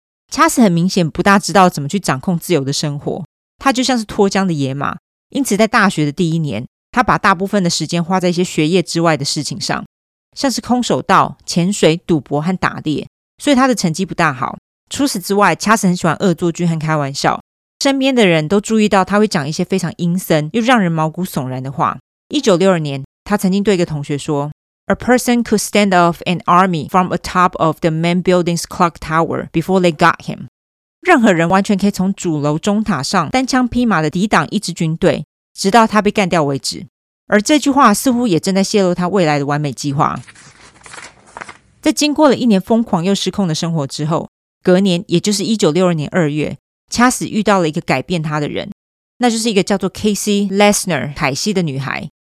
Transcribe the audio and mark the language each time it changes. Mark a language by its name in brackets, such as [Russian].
[Chinese] 恰死很明显不大知道怎么去掌控自由的生活，他就像是脱缰的野马，因此在大学的第一年，他把大部分的时间花在一些学业之外的事情上，像是空手道、潜水、赌博和打猎，所以他的成绩不大好。除此之外，恰死很喜欢恶作剧和开玩笑，身边的人都注意到他会讲一些非常阴森又让人毛骨悚然的话。 1962年，他曾经对一个同学说， [English] A person could stand off an army from atop of the main building's clock tower before they got him. [Chinese] 任何人完全可以从主楼中塔上单枪匹马的抵挡一支军队，直到他被干掉为止。而这句话似乎也正在泄露他未来的完美计划。在经过了一年疯狂又失控的生活之后，隔年也就是1962年2月，恰死遇到了一个改变他的人，那就是一个叫做 Casey Lesner 凯西的女孩。